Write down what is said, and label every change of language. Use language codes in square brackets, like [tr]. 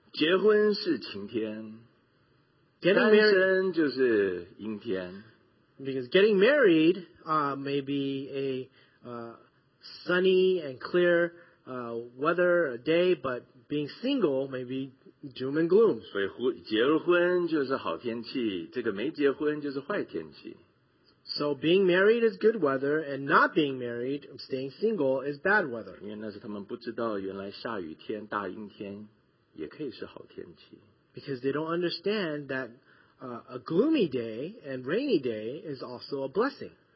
[zh] 结婚是晴天, 单身就是阴天。 [en] Because getting married may be a sunny and clear weather, a day, but being single may be doom and gloom. [zh] 所以结婚就是好天气，这个没结婚就是坏天气。 [en] So being married is good weather, and not being married, staying single, is bad weather. [zh] 因为那是他们不知道，原来下雨天、大阴天也可以是好天气。 [en] Because they don't understand that a gloomy day and rainy day is also a blessing.